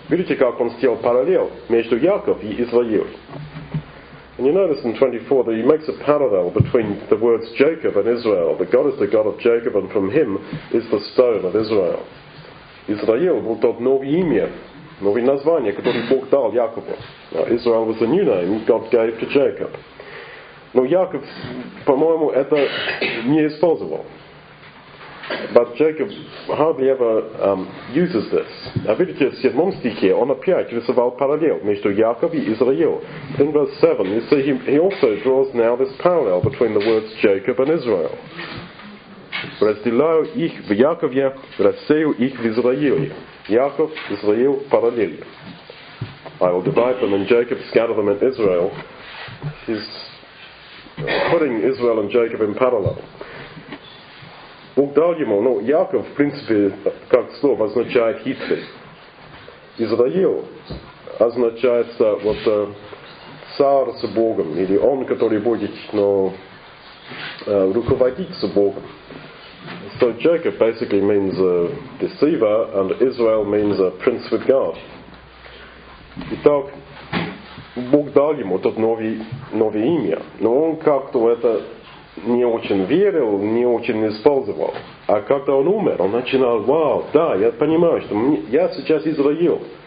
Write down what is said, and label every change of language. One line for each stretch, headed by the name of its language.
Russian: Видите, как он сделал параллел между Яков и Израилем.
English: And you notice in 24 that he makes a parallel between the words Jacob and Israel. That God is the God of Jacob, and from him is the stone of Israel.
Russian: Израил был тот новый имя, новое название, которое Бог дал Якову.
English: Now, Israel was the new name God gave to Jacob.
Russian: Но Яков, по-моему, это не использовал.
English: But Jacob hardly ever uses this.
Russian: А видите, в 7 стихе он опять рисовал параллел между Яков и Израил.
English: In verse 7, you see, he also draws now this parallel between the words Jacob and Israel.
Russian: Разделяю их в Якове, рассею их в Израиле. Яков, Израил, параллель.
English: I will divide them and Jacob scatter them in Israel. He's putting Israel and Jacob in parallel.
Russian: Бог дал ему, ну, Яков, в принципе, как слово означает хитрый. Израил означается вот царь с Богом, или он, который будет, ну, руководить с Богом.
English: So Jacob basically means a deceiver, and Israel means a prince with God.
Russian: Итак, Бог дал ему тот новый имя, но он как-то это не очень верил, не очень использовал. А когда он умер, он начинал: «Вау, да, я понимаю, что я сейчас Израил».